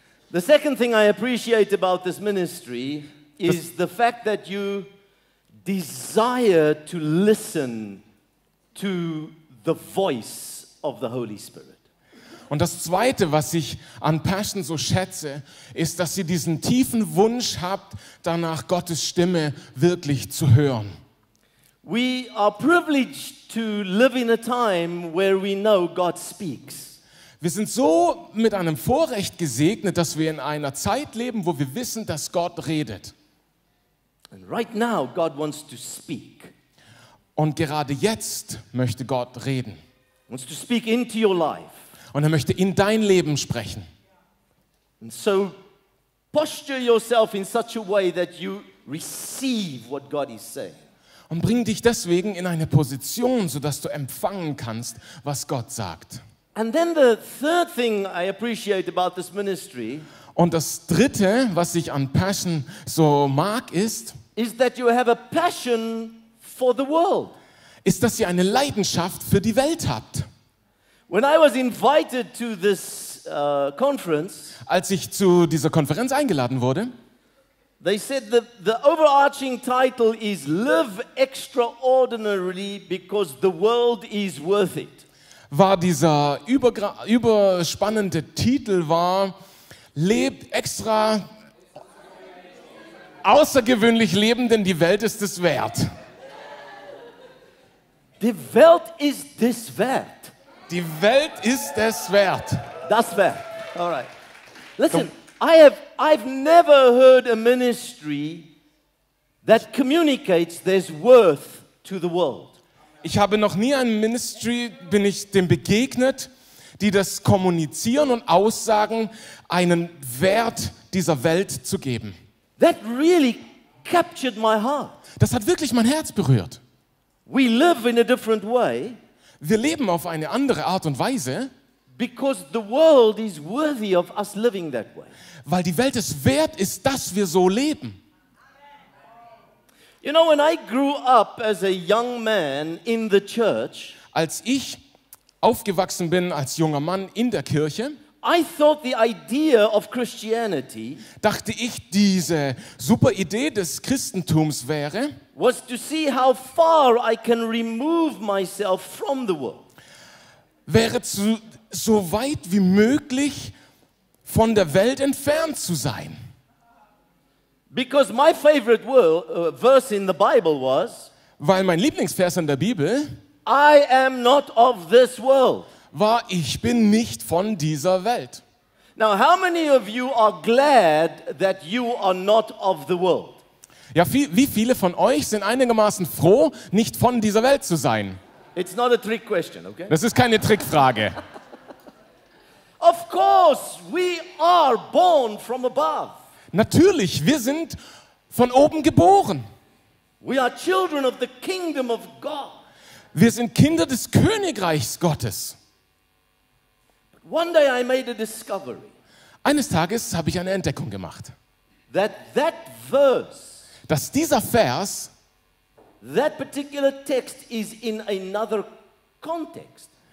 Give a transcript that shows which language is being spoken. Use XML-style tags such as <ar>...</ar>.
<en>The second thing I appreciate about this ministry is the fact that you desire to listen to the voice of the Holy Spirit.</en> <de>Und das Zweite, was ich an Passion so schätze, ist, dass ihr diesen tiefen Wunsch habt, danach Gottes Stimme wirklich zu hören.</de> <en>We are privileged to live in a time where we know God speaks.</en> <de>Wir sind so mit einem Vorrecht gesegnet, dass wir in einer Zeit leben, wo wir wissen, dass Gott redet.</de> <en>And right now God wants to speak.</en> <de>Und gerade jetzt möchte Gott reden.</de> <en>He wants to speak into your life.</en> <de>Und er möchte in dein Leben sprechen.</de> <en>And so posture yourself in such a way that you receive what God is saying.</en> <de>Und bring dich deswegen in eine Position, so dass du empfangen kannst, was Gott sagt.</de> <en>And then the third thing I appreciate about this ministry.</en> <de>Und das Dritte, was ich an Passion so mag, ist,</de> <en>is that you have a passion for the world.</en> <de>Ist, dass ihr eine Leidenschaft für die Welt habt.</de> <en>When I was invited to this conference,</en> <de>als ich zu dieser Konferenz eingeladen wurde,</de> <en>they said that the overarching title is "Live extraordinarily because the world is worth it."</en> <de>war dieser überspannende Titel war Lebt extra außergewöhnlich leben, denn die Welt ist es wert. Die Welt ist es wert. Die Welt ist es wert. Das wert.</de> <en>All right. Listen, I've never heard a ministry that communicates there's worth to the world.</en> <de>Ich habe noch nie einem Ministry, bin ich dem begegnet, die das kommunizieren und aussagen, einen Wert dieser Welt zu geben.</de> <en>That really captured my heart.</en> <de>Das hat wirklich mein Herz berührt.</de> <en>We live in a different way.</en> <de>Wir leben auf eine andere Art und Weise.</de> <en>Because the world is worthy of us living that way.</en> <de>Weil die Welt es wert ist, dass wir so leben.</de> <en>You know, when I grew up as a young man in the church,</en> <de>als ich aufgewachsen bin als junger Mann in der Kirche,</de> <en>I thought the idea of Christianity,</en> <de>dachte ich, diese super Idee des Christentums wäre,</de> <en>was to see how far I can remove myself from the world.</en> <de>Wäre zu so weit wie möglich von der Welt entfernt zu sein.</de> <en>Because my favorite verse in the Bible was,</en> <de>weil mein Lieblingsvers in der Bibel,</de> <en>I am not of this world.</en> <de>War, ich bin nicht von dieser Welt.</de> <en>Now, how many of you are glad that you are not of the world?</en> <de>Ja, wie viele von euch sind einigermaßen froh, nicht von dieser Welt zu sein?</de> <en>It's not a trick question, okay?</en> <de>Das ist keine Trickfrage.</de> <en>Of course, we are born from above.</en> <de>Natürlich, wir sind von oben geboren.</de> <en>We are children of the kingdom of God.</en> <de>Wir sind Kinder des Königreichs Gottes.</de> <en>One day I made a discovery.</en> <de>Eines Tages habe ich eine Entdeckung gemacht.</de> <en>That verse,</en> <de>dass dieser Vers,</de> <en>that particular text is in another context.</en>